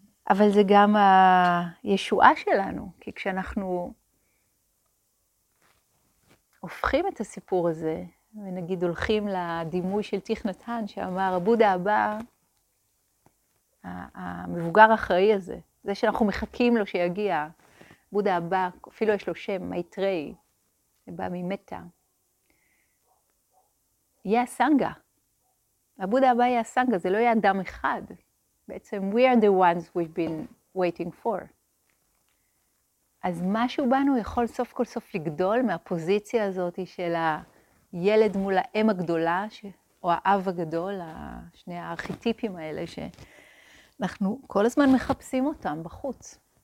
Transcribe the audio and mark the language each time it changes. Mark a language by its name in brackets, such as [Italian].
[Hebrew] אבל זה גם הישועה שלנו, כי כשאנחנו הופכים את הסיפור הזה, ונגיד הולכים לדימוי של תיך נתן, שאמר, הבודה הבא, המבוגר האחראי הזה, זה שאנחנו מחכים לו שיגיע, בודה הבא, אפילו יש לו שם, מייטרי, הבא ממטה, יהיה הסנגה. הבודה הבא יהיה הסנגה, זה לא יהיה אדם אחד. בעצם, [English] we are the ones we've been waiting for. [Hebrew] אז משהו בנו יכול סוף כל סוף לגדול מהפוזיציה הזאת של הילד מול האם הגדולה, או האב הגדול, שני הארכיטיפים האלה שאנחנו כל הזמן מחפשים אותם בחוץ.